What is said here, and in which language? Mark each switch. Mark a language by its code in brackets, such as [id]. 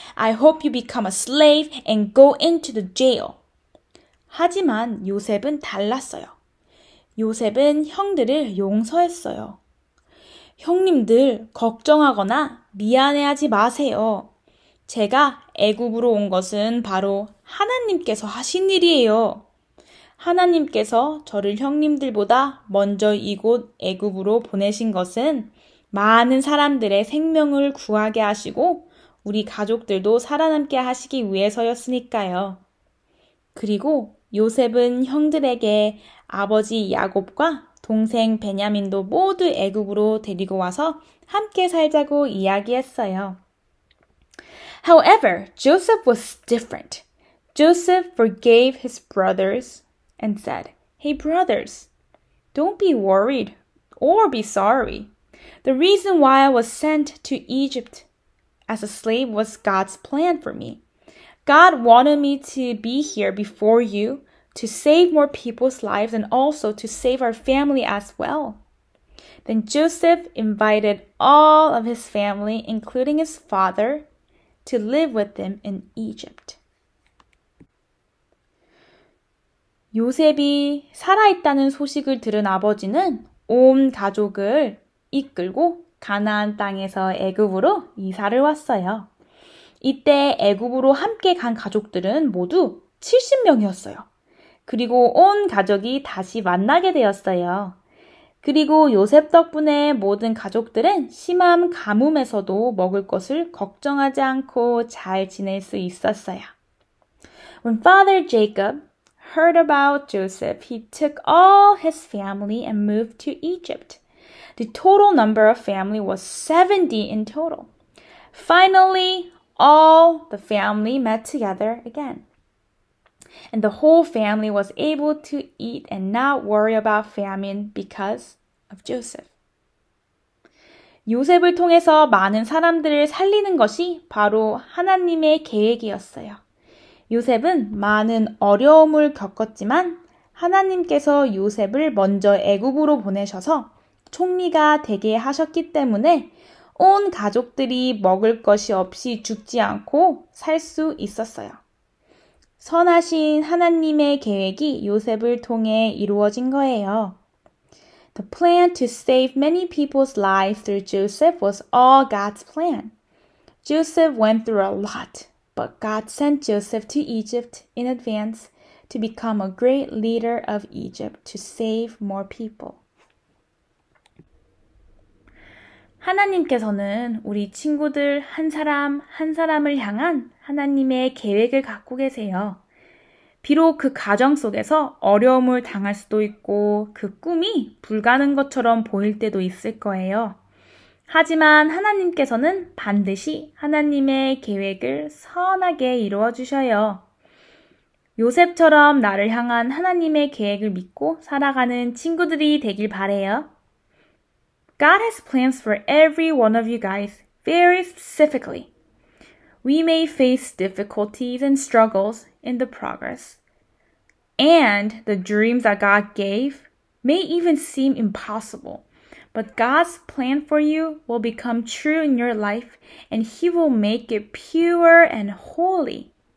[en] I hope you become a slave and go into the jail." [ko] 하지만 요셉은 달랐어요. 요셉은 형들을 용서했어요. 형님들 걱정하거나 미안해하지 마세요. 제가 애굽으로 온 것은 바로 하나님께서 하신 일이에요. 하나님께서 저를 형님들보다 먼저 이곳 애굽으로 보내신 것은 많은 사람들의 생명을 구하게 하시고 우리 가족들도 살아남게 하시기 위해서였으니까요. 그리고 요셉은 형들에게 아버지 야곱과 동생 베냐민도 모두 애굽으로 데리고 와서 함께 살자고 이야기했어요. [en] However, Joseph was different. Joseph forgave his brothers and said, "Hey brothers, don't be worried or be sorry. The reason why I was sent to Egypt as a slave was God's plan for me. God wanted me to be here before you to save more people's lives and also to save our family as well." Then Joseph invited all of his family, including his father, to live with him in Egypt. [ko] 요셉이 살아있다는 소식을 들은 아버지는 온 가족을 이끌고 가나안 땅에서 애굽으로 이사를 왔어요. 이때 애굽으로 함께 간 가족들은 모두 70명이었어요. 그리고 온 가족이 다시 만나게 되었어요. 그리고 요셉 덕분에 모든 가족들은 심한 가뭄에서도 먹을 것을 걱정하지 않고 잘 지낼 수 있었어요. [en] When Father Jacob heard about Joseph, he took all his family and moved to Egypt. The total number of family was 70 in total. Finally, all the family met together again. And the whole family was able to eat and not worry about famine because of Joseph. [ko] 요셉을 통해서 많은 사람들을 살리는 것이 바로 하나님의 계획이었어요. 요셉은 많은 어려움을 겪었지만 하나님께서 요셉을 먼저 애굽으로 보내셔서 총리가 되게 하셨기 때문에 온 가족들이 먹을 것이 없이 죽지 않고 살 수 있었어요. 선하신 하나님의 계획이 요셉을 통해 이루어진 거예요. [en] The plan to save many people's lives through Joseph was all God's plan. Joseph went through a lot, but God sent Joseph to Egypt in advance to become a great leader of Egypt to save more people. [ko] 하나님께서는 우리 친구들 한 사람 한 사람을 향한 하나님의 계획을 갖고 계세요. 비록 그 가정 속에서 어려움을 당할 수도 있고 그 꿈이 불가능 것처럼 보일 때도 있을 거예요. 하지만 하나님께서는 반드시 하나님의 계획을 선하게 이루어 주셔요. 요셉처럼 나를 향한 하나님의 계획을 믿고 살아가는 친구들이 되길 바래요. [en] God has plans for every one of you guys very specifically. We may face difficulties and struggles in the progress. And the dreams that God gave may even seem impossible. But God's plan for you will become true in your life and He will make it pure and holy.